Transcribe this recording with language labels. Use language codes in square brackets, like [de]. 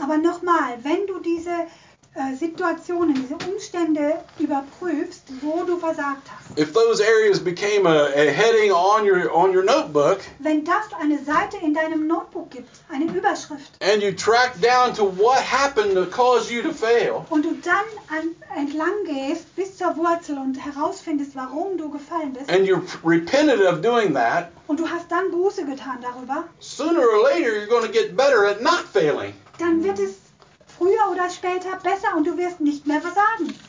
[de] aber nochmal, wenn du diese Situationen, diese Umstände überprüfst, wo du versagt hast, [en] if those areas became a heading on your notebook, [de] wenn das eine Seite in deinem Notebook gibt, eine Überschrift, [en] and you track down to what happened to cause you to fail, [de] und du dann entlang gehst bis zur Wurzel und herausfindest, warum du gefallen bist, [en] and you're repentant of doing that, [de] und du hast dann Buße getan darüber, [en] sooner or later you're going to get better at not failing. [de] Dann wird es früher oder später besser und du wirst nicht mehr versagen.